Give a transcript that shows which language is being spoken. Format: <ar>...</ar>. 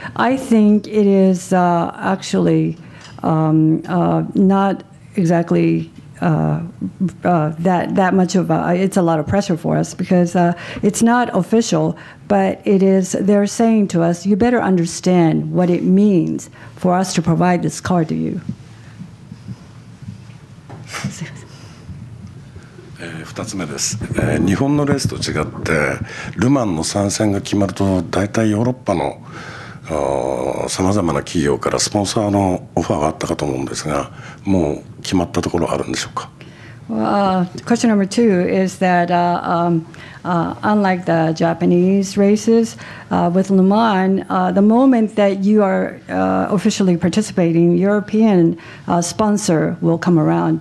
<en>I think it is actually not exactly that much of a, it's a lot of pressure for us because it's not official, but it is, they're saying to us, you better understand what it means for us to provide this car to you.</en> <ja>2つ目です、日本のレースと違ってルマンの参戦が決まると大体ヨーロッパのさまざまな企業からスポンサーのオファーがあったかと思うんですが、もう決まったところあるんでしょうか。</ja> <en>Well, question number two is that unlike the Japanese races with Le Mans, the moment that you are officially participating, European sponsor will come around.</en>